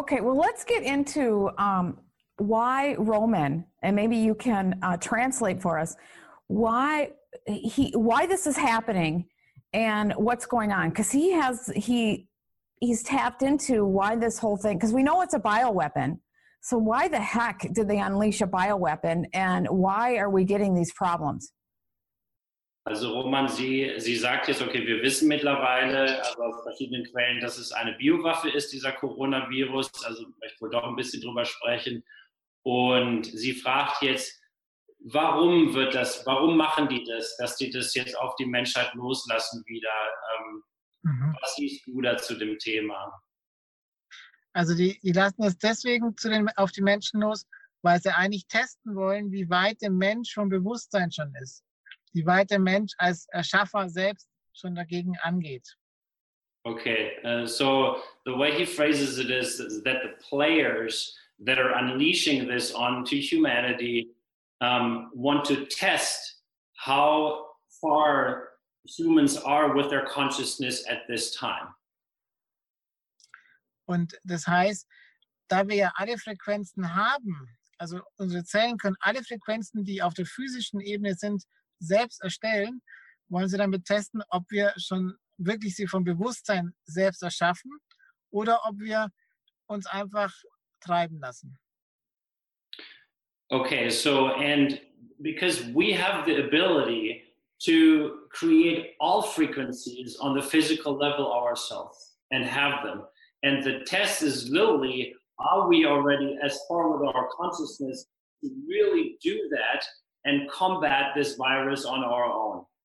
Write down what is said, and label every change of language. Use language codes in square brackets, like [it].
[en] Okay, well, let's get into why Roman, and maybe you can translate for us, why this is happening and what's going on, because he's tapped into why this whole thing, because we know it's a bioweapon, so why the heck did they unleash a bioweapon, and why are we getting these problems? [de] Also Roman, sie sagt jetzt, okay, wir wissen mittlerweile also aus verschiedenen Quellen, dass es eine Biowaffe ist, dieser Coronavirus, also ich wollte doch ein bisschen drüber sprechen, und sie fragt jetzt, warum machen die das, dass die das jetzt auf die Menschheit loslassen wieder? Was siehst du da zu dem Thema? Also die lassen es deswegen auf die Menschen los, weil sie eigentlich testen wollen, wie weit der Mensch vom Bewusstsein schon ist. Wie weit der Mensch als Erschaffer selbst schon dagegen angeht. [en] Okay, so the way he phrases it is that the players that are unleashing this onto humanity want to test how far humans are with their consciousness at this time. [de] Und das heißt, da wir ja alle Frequenzen haben, also unsere Zellen können alle Frequenzen, die auf der physischen Ebene sind, selbst erstellen, wollen sie damit testen, ob wir schon wirklich sie vom Bewusstsein selbst erschaffen oder ob wir uns einfach treiben lassen. [en] Okay, so, and because we have the ability to create all frequencies on the physical level ourselves and have them, and the test is literally, are we already as far with our consciousness to really do that and combat this virus on our own?